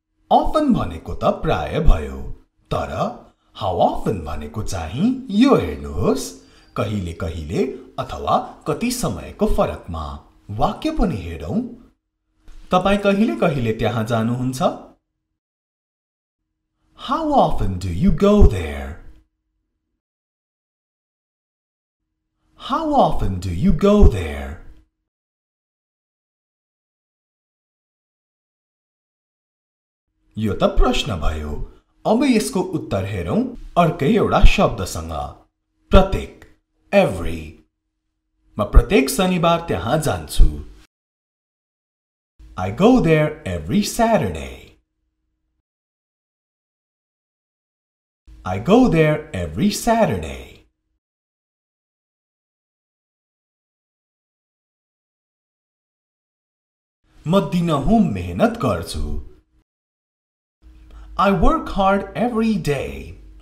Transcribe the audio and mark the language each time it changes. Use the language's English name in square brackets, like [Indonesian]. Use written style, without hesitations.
[Nepali] Often भनेको त प्राय भयो. तर, how often भनेको चाहिँ यो हेर्नुहोस्. कहिले कहिले अथवा कति समयको फरकमा. वाक्य पनि हेरौं. तपाईं कहिले कहिले त्यहाँ जानुहुन्छ? [English] How often do you go there? How often do you go there? [Nepali] यो त प्रश्न भयो अब यसको उत्तर हेरौं अर्कै एउटा शब्दसँग प्रत्येक एभ्री म प्रत्येक शनिबार त्यहाँ जान्छु [English] I go there every Saturday. I go there every Saturday. [Nepali] मदिनहुँ मेहनत गर्छु. [English] I work hard every day.